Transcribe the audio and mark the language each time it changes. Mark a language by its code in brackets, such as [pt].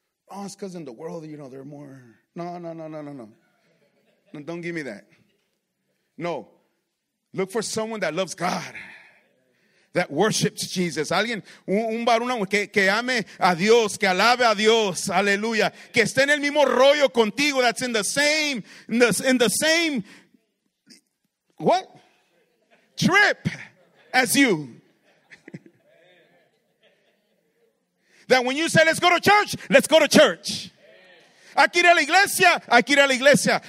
[en] Oh, it's because in the world, you know, they're more. No. Don't give me that. No. Look for someone that loves God, that worships Jesus. [es] Alguien, un varón que ame a Dios, que alabe a Dios. Aleluya. Que esté en el mismo rollo contigo. [en] That's in the same, in the same, what? Trip as you. That when you say, let's go to church, let's go to church. [es] Hay que ir a la iglesia, hay que ir a la iglesia.